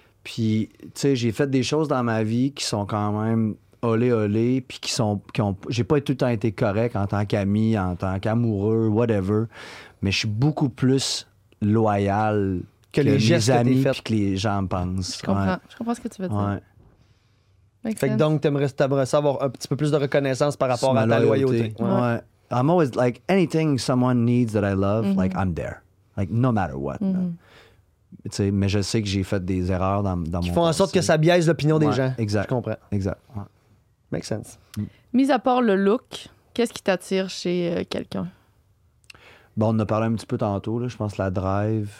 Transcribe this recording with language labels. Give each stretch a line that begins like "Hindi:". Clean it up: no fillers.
French: Puis, tu sais, j'ai fait des choses dans ma vie qui sont quand même olé olé, puis j'ai pas tout le temps été correct en tant qu'ami, en tant qu'amoureux, whatever. Mais je suis beaucoup plus loyal que les mes amis, puis que les gens pensent. Je comprends ce que tu veux dire. Ouais. Fait que donc, t'aimerais avoir un petit peu plus de reconnaissance par rapport à ta loyauté. Ouais.
English: I'm always like, anything someone needs that I love, like, I'm there. Like, no matter what. Mm-hmm.
French: Tu sais, mais je sais que j'ai fait des erreurs dans qui mon... Qui font en sorte que ça biaise l'opinion des gens. Exact. Je comprends. Exact. Ouais.
English: Makes sense.
French: Mis à part le look, qu'est-ce qui t'attire chez quelqu'un? Bon, on a parlé un petit peu tantôt, là. Je pense la drive.